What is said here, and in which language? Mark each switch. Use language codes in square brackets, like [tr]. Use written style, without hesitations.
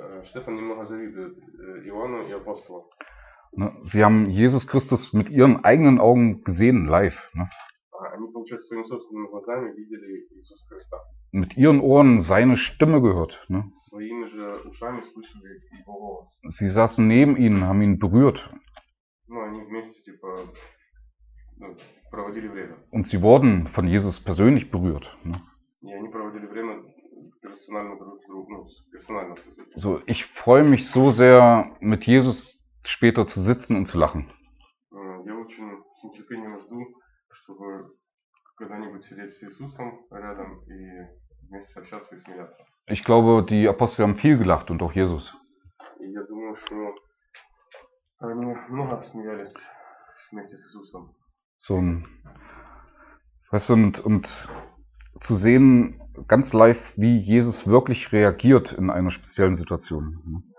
[ru] Stefan немного завидует Иоанну и апостолам. [de] Sie haben Jesus Christus mit ihren eigenen Augen gesehen live, ne? [ru] Они получается своими собственными глазами видели Иисуса Христа. [de] Mit ihren Ohren seine Stimme gehört, ne? [ru] Своими же ушами слышали его голос. [de] Sie saßen neben ihnen, haben ihn berührt. [ru] Ну, они вместе типа проводили время. [de] Und sie wurden von Jesus persönlich berührt, ne? [ru] И они проводили время персонально друг, ну, персонально. [de] So, ich freue mich so sehr, mit Jesus später zu sitzen und zu lachen. [ru] Я очень с нетерпением жду, чтобы когда-нибудь сидеть с Иисусом рядом и вместе общаться и смеяться. [de] Ich glaube, die Apostel haben viel gelacht und auch Jesus. [ru] Я думаю, что они много смеялись вместе с Иисусом. [de] So, weißt du, und zu sehen ganz live, wie Jesus wirklich reagiert in einer speziellen Situation.